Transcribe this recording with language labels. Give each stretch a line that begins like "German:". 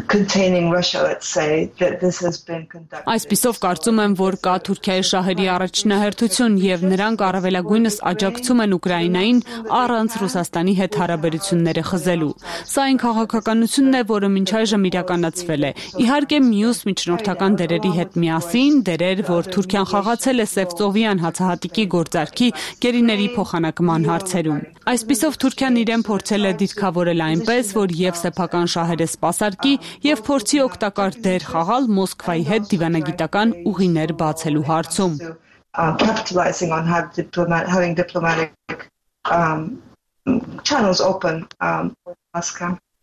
English: containing Russia, let's say, that this has been conducted.
Armenian: Այսպիսով կարծում եմ, որ կա Թուրքիայի շահերի առաջնահերթություն եւ նրանք առավելագույնս աջակցում են Ուկրաինային առանց Ռուսաստանի հետ հարաբերությունները խզելու։ Սա այն քաղաքականությունն է, որը մինչ այժմ իրականացվել է։ Իհարկե, մյուս միջնորդական դերերի հետ միասին, դերեր, որ Թուրքիան խաղացել է Սևծովյան հացահատիկի գործարքի գերիների փոխանակման հարցերում։ Այսպիսով Թուրքիան իրեն փորձել է դիրքավորել այնպես, որ եւ սեփական շահերը սպասարկի եւ փորձի օգտակար դեր խաղալ Մոսկվայի հետ դիվանագիտական ուղիներ բացելու հարցում։
English: Capitalizing on having diplomatic channels open with Moscow.